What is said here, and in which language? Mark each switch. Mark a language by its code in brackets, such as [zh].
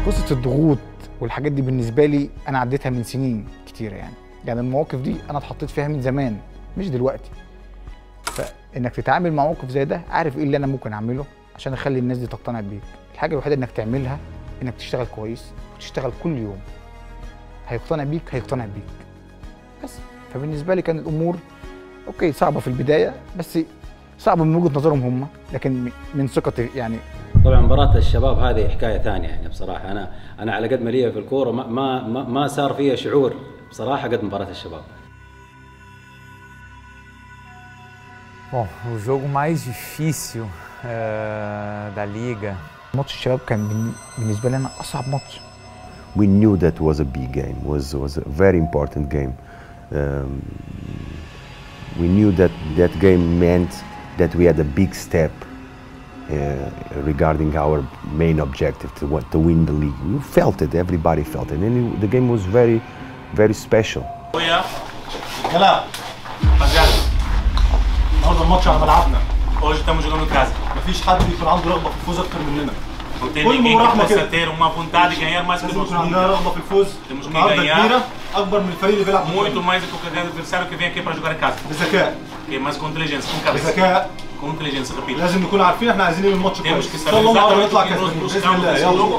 [ar] الضغوط والحاجات دي بالنسبه لي انا عديتها من سنين كتيره يعني المواقف دي انا اتحطيت فيها من زمان مش دلوقتي فانك تتعامل مع موقف زي ده عارف ايه اللي انا ممكن اعمله عشان اخلي الناس دي تقتنع بيك الحاجه الوحيده انك تعملها انك تشتغل كويس وتشتغل كل يوم هيقتنع بيك بس فبالنسبه لي كان الامور اوكي صعبه في البدايه بس صعبه من وجهه نظرهم هم لكن من ثقتي يعني طبعا مباراة الشباب هذه حكاية ثانية يعني بصراحة أنا على قد ما لي في الكورة ما صار فيها شعور بصراحة قد مباراة الشباب. [pt] Bom, o jogo mais difícil da liga. [ar] ماتش الشباب كان بالنسبة لي أنا أصعب ماتش. [en] We knew that was a big game, was a very important game. We knew that that game meant that we had a big step. Regarding our main objective to win the league. You felt it, everybody felt it. And the game was very, very special. [pt] Com inteligência, repito. Lazem que nós temos que saber exatamente o que nós buscamos. Se Deus quiser, saímos ganhando.